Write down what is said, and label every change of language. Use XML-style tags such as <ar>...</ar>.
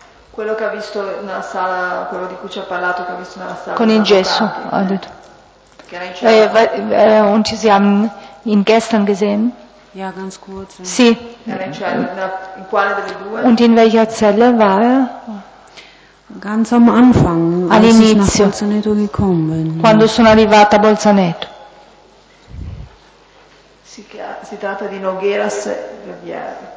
<it>Quello che ha visto nella sala, quello di cui ci ha parlato, che ha visto nella sala. Con il gesso, ha detto. Che era in cella.</it> <de>Und Sie haben ihn gestern gesehen? Ja, ganz kurz.</de> <it>Sì. In quale delle due?</it> <de>Und in welcher Zelle war er? Ganz am Anfang.</de> <it>All'inizio.</it> <de>Als ich nach Bolzaneto gekommen bin.</de> <it>Quando sono arrivata a Bolzaneto. Si tratta di Nogueras Gavieri.</it>